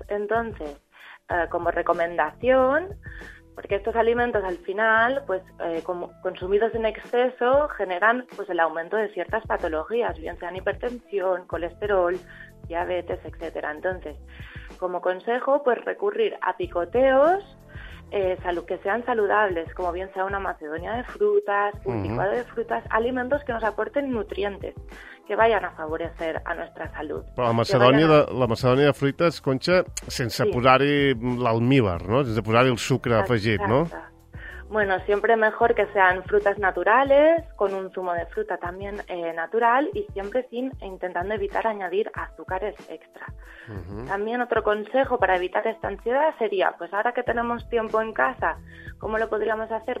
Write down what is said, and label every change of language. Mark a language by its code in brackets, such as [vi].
[es] Entonces, como recomendación, porque estos alimentos al final, pues como consumidos en exceso, generan pues el aumento de ciertas patologías, bien sean hipertensión, colesterol, diabetes, etcétera. Entonces, como consejo, pues recurrir a picoteos que sean saludables, como bien sea una macedonia de frutas, un licuado de frutas, alimentos que nos aporten nutrientes, que vayan a favorecer a nuestra salud. [ca] Però la macedònia de fruites, Conxa, sense posar-hi l'almíbar, no? Sense posar-hi el sucre afegit, no? [es] Bueno, siempre mejor que sean frutas naturales, con un zumo de fruta también natural, y siempre sin intentando evitar añadir azúcares extra. También otro consejo para evitar esta ansiedad sería, pues ahora que tenemos tiempo en casa, ¿cómo lo podríamos hacer?